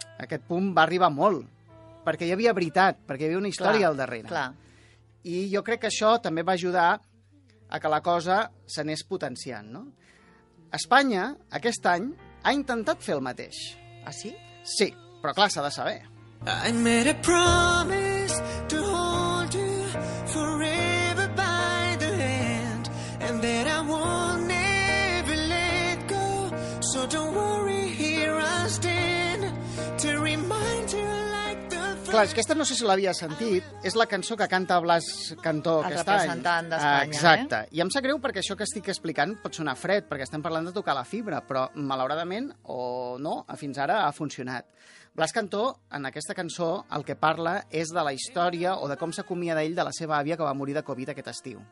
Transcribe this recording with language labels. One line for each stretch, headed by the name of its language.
Catalan: Aquest punt va arribar molt, perquè hi havia veritat, perquè hi havia una història, clar, al darrere. Clar. I jo crec que això també va ajudar a que la cosa s'anés potenciant, no? Espanya, aquest any, ha intentat fer el mateix. Ah, sí? Sí, però clar, s'ha de saber.
English: I made a promise to hold you forever by the hand and that I won't never let go, so don't worry, here I stand to remind you like the first.
Catalan: Clar, és que aquesta no sé si l'havia sentit, és la cançó que canta Blas Cantó aquest any. El representant d'Espanya. Exacte. Eh? I em sap greu perquè això que estic explicant pot sonar fred, perquè estem parlant de tocar la fibra, però malauradament, o no, fins ara ha funcionat. Blas Cantó, en aquesta cançó, el que parla és de la història o de com s'acomiada ell de la seva àvia que va morir de Covid aquest estiu.